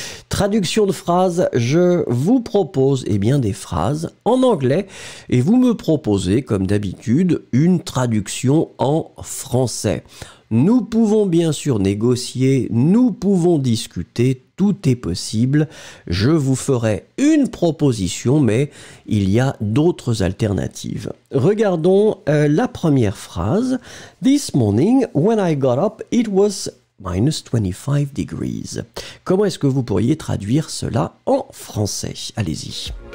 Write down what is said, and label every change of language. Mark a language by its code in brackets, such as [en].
[fr] Traduction de phrase, je vous propose des phrases en anglais et vous me proposez, comme d'habitude, une traduction en français. Nous pouvons bien sûr négocier, nous pouvons discuter, tout est possible. Je vous ferai une proposition, mais il y a d'autres alternatives. Regardons la première phrase. [en] This morning, when I got up, it was minus 25 degrees. [fr] Comment est-ce que vous pourriez traduire cela en français? Allez-y.